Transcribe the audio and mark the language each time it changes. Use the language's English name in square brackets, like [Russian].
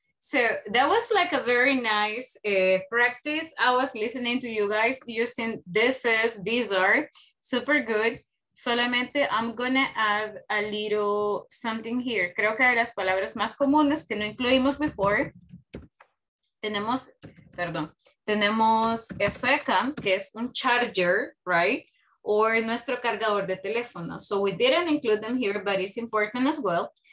[English] So that was like a very nice practice. I was listening to you guys using this is, these are, super good. [Spanish] Solamente [English] I'm gonna add a little something here. [Spanish] Creo que de las palabras más comunes que no incluimos before, tenemos, perdón, tenemos second, que es un charger, right? Or nuestro cargador de teléfono. [English] So we didn't include them here, but it's important as well.